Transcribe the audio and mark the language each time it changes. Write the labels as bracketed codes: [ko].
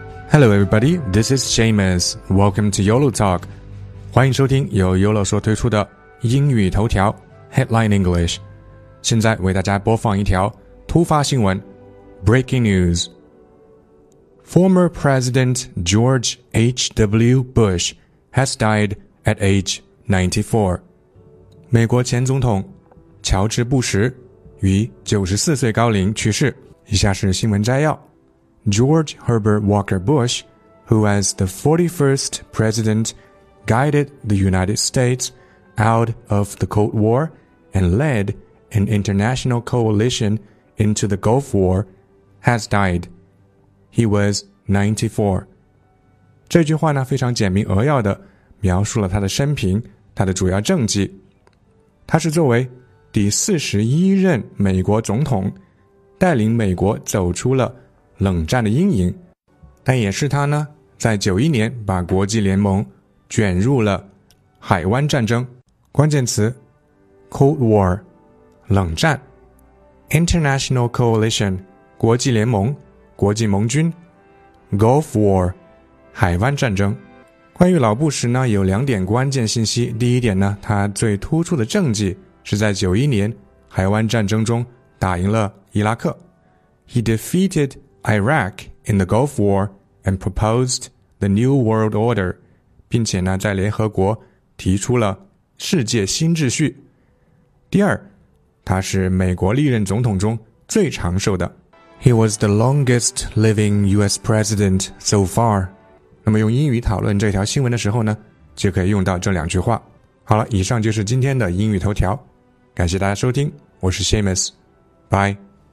[en] Hello everybody, this is Seamus. Welcome to YOLO Talk. [zh] 欢迎收听由 YOLO 说推出的英语头条 Headline English。现在为大家播放一条突发新闻 Breaking News。 [en] Former President George H.W. Bush has died at age 94. [zh] 美国前总统乔治布什于94岁高龄去世。以下是新闻摘要。 [en] George Herbert Walker Bush, who as the 41st president guided the United States out of the Cold War and led an international coalition into the Gulf War, has died. He was 94. [zh] 这句话呢非常简明扼要地描述了他的生平，他的主要政绩。他是作为第41任美国总统，带领美国走出了冷战的阴影，但也是他呢在91年把国际联盟卷入了海湾战争。关键词 Cold War 冷战， International Coalition 国际联盟国际盟军， Gulf War 海湾战争。关于老布什呢有两点关键信息。第一点呢，他最突出的政绩是在91年海湾战争中打赢了伊拉克。 [en] He defeatedIraq in the Gulf War and proposed the New World Order, [zh] 并且呢在联合国提出了世界新秩序。第二，他是美国历任总统中最长寿的。 [en] He was the longest living US president so far. [zh] 那么用英语讨论这条新闻的时候呢，就可以用到这两句话。好了，以上就是今天的英语头条。感谢大家收听，我是 Seamus. Bye.